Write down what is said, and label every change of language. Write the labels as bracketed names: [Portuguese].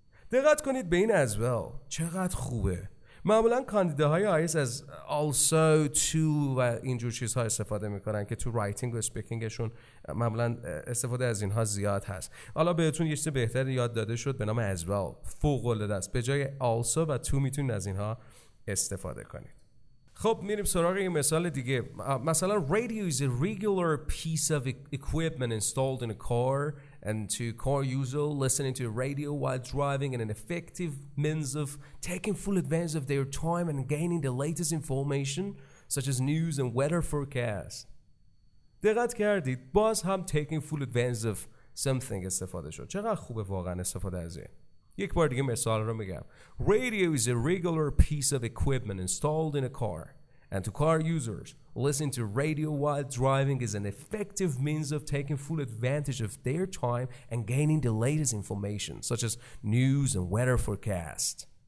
[Persian] دقت کنید به این as well، چقدر خوبه. معمولا کاندیداهای آیلتس از [English] also to [Persian] و اینجور چیزها استفاده میکنن که تو رایتینگ و اسپیکینگشون معمولا استفاده از اینها زیاد هست. حالا بهتون یه چیز بهتر یاد داده شد به نام as well، فوق العاده است. به جای also و to میتونید از اینها استفاده کنید. خب میریم سراغ یه مثال دیگه. [English] مثلا radio is a regular piece of equipment installed in a car and to car user listening to radio while driving and an effective means of taking full advantage of their time and gaining the latest information such as news and weather forecast. [Persian] دقت کردید باز هم [English] taking full advantage of something [Persian] استفاده شد. چقدر خوبه واقعا استفاده از این. یک بار دیگه مثال رو میگم. [English] Radio is a regular piece of equipment installed in a car and to car users listening to radio while driving is an effective means of taking full advantage of their time and gaining the latest information such as news and weather forecast.